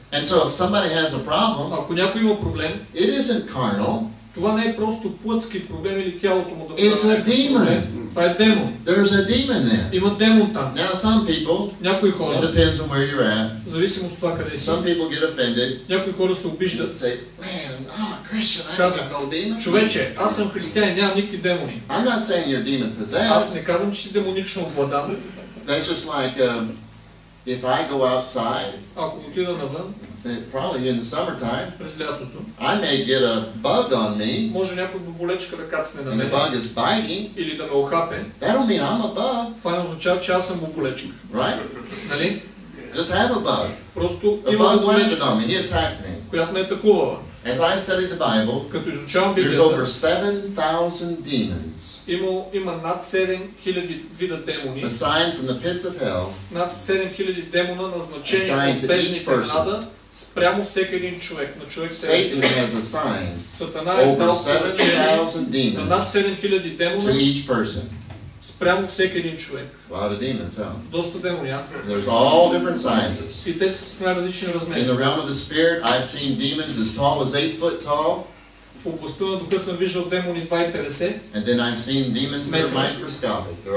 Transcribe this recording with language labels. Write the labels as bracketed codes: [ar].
[en] And so if somebody has a problem, [bg] ако някой има проблем, [en] it isn't carnal. [bg] Това не е просто плътски проблем или тялото му да бъде. Това е демон. [en] There's a demon there. [bg] Има демон там. [en] Now some people, [bg] някои хора, [en] it depends on where you're at, [bg] зависимо от това къде си. [en] Some people get offended. [bg] Някои хора се обиждат. [en] Say, man, I'm a Christian, I have no demon. [bg] Човече, аз съм християнин, нямам никакви демони. [en] I'm not saying you're demon possessed. [bg] Аз не казвам, че си демонично обладан. [en] That's just like, if I go outside, [bg] ако отида навън, [en] probably in the summertime, [bg] през лятото, [en] I may get a bug on me, [bg] може някой боболечка да кацне на мен, [en] and the bug is biting, [bg] или да ме охапе, [en] that don't mean I'm a bug. [bg] Това не означава, че аз съм боболечка. [en] Right? [bg] Нали? [en] Just have a bug. [bg] Просто [en] a [bg] има [en] bug landed on me, he attacked me. [bg] Която ме атакувала. [en] As I study the Bible, [bg] като изучавам Библията, [en] there's over 7,000 demons. [bg] Има над 7,000 вида демони. [en] Assigned from the pits of hell. [bg] Над 7,000 демона назначени от бездните ада спрямо всеки един човек, на човек [en] Satan has assigned. [bg] Сатана е дал [en] 7,000 demons. [bg] Над 7,000 демона [en] to each person. [bg] Спрямо всеки един човек. [en] A lot of demons, huh? [bg] Доста демони, а? [en] There's all different sizes. [bg] И те са с най-различни размери. [en] In the realm of the spirit, I've seen demons as tall as 8 foot tall. [bg] В областта на духа съм виждал демони 2,50. [en] And then I've seen demons that are microscopic.